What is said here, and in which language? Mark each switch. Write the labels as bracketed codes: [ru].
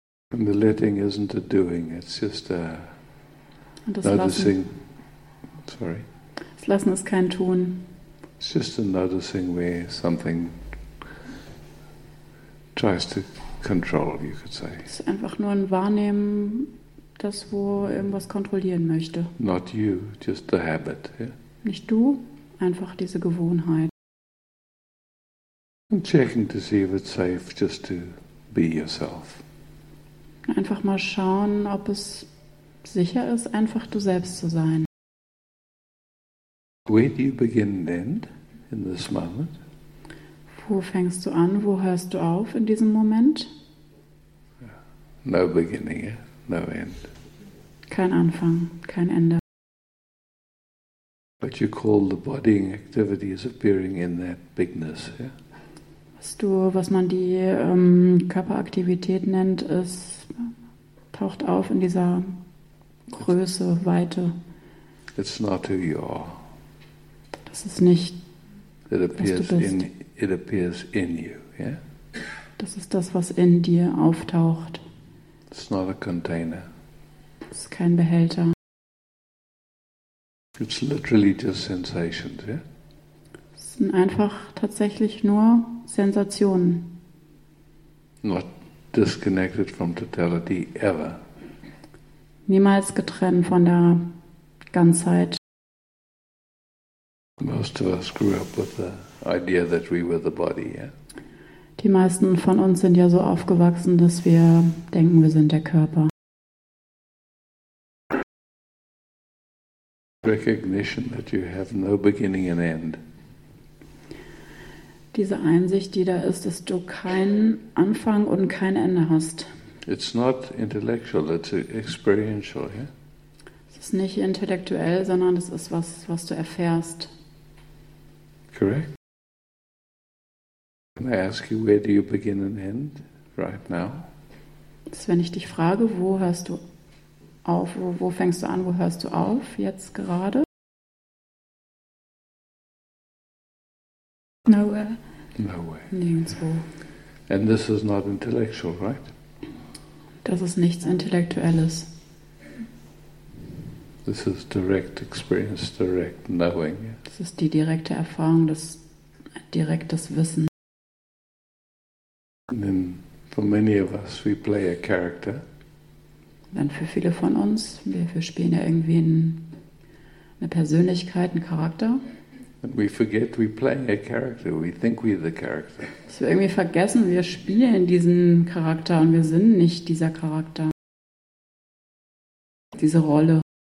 [en] And the letting isn't a doing, it's just a noticing. Sorry. [de] Das Lassen ist kein Tun. [en] It's just a noticing where something tries to control, you could say. [de] Es ist einfach nur ein Wahrnehmen, das wo irgendwas kontrollieren möchte. [en] Not you, just the habit. Yeah? [de] Nicht du, einfach diese Gewohnheit. [en] And checking to see if it's safe just to be yourself. [de] Einfach mal schauen, ob es sicher ist, einfach du selbst zu sein. [en] Where do you begin and end in this moment? [de] Wo fängst du an, wo hörst du auf in diesem Moment? [en] No beginning, no end. [de] Kein Anfang, kein Ende. [en] But you call the bodying activities appearing in that bigness, yeah? [de] Was man die Körperaktivität nennt, ist, taucht auf in dieser Größe, Weite. [en] It's not who you are. [de] Das ist nicht, was du bist. [en] It appears in you, yeah? [de] Das ist das, was in dir auftaucht. [en] It's not a container. [de] Es ist kein Behälter. [en] It's literally just sensations, yeah? [de] Sind einfach tatsächlich nur Sensationen. [en] Not disconnected from totality ever. [de] Niemals getrennt von der Ganzheit. [en] Most of us grew up with the idea that we were the body, yeah? [de] Die meisten von uns sind ja so aufgewachsen, dass wir denken, wir sind der Körper. [en] Recognition that you have no beginning and end. [de] Diese Einsicht, die da ist, dass du keinen Anfang und kein Ende hast. [en] It's not intellectual, it's experiential, yeah? [de] Es ist nicht intellektuell, sondern es ist was, was du erfährst. [en] Correct. Can I ask you, where do you begin and end right now? [de] Das ist, wenn ich dich frage, wo hörst du auf, wo fängst du an, wo hörst du auf, jetzt gerade? [en] Nowhere. Nowhere. [de] Nirgendwo. [en] And this is not intellectual, right? [de] Das ist nichts Intellektuelles. [en] This is direct experience, direct knowing. [de] Das ist die direkte Erfahrung, das direktes Wissen. [en] And then for many of us, we play a character. [de] Dann für viele von uns, wir spielen ja irgendwie eine Persönlichkeit, einen Charakter. [en] And we forget we play a character, we think we're the character. [de] Dass wir irgendwie vergessen, wir spielen diesen Charakter und wir sind nicht dieser Charakter, diese Rolle.